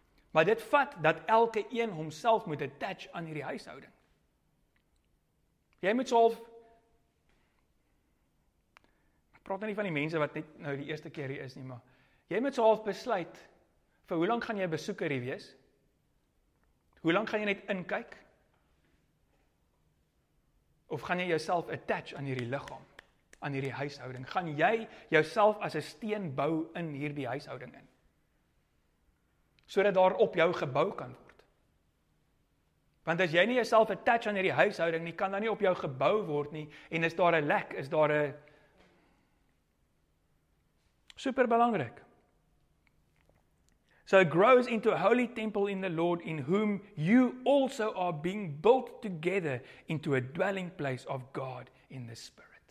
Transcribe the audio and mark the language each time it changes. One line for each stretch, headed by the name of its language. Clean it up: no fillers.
Afrikaans: Maar dit vat dat elke een homself moet attach aan hierdie huishouding. Jy moet self, ek praat nie van die mense wat net nou die eerste keer hier is nie, maar jy moet self besluit, vir hoe lank gaan jy 'n besoeker hier wees? Hoe lank gaan jy net inkyk? Of gaan jy jouself attach aan hierdie liggaam, aan hierdie huishouding? Gaan jy jouself as 'n steen bou in hierdie huishouding in? Sodat daar op jou gebou kan word. Want as jy nie jouself attach aan hierdie huishouding nie, kan daar nie op jou gebou word nie, en is daar 'n lek, is daar 'n super belangrik.
English: So it grows into a holy temple in the Lord in whom you also are being built together into a dwelling place of God in the Spirit.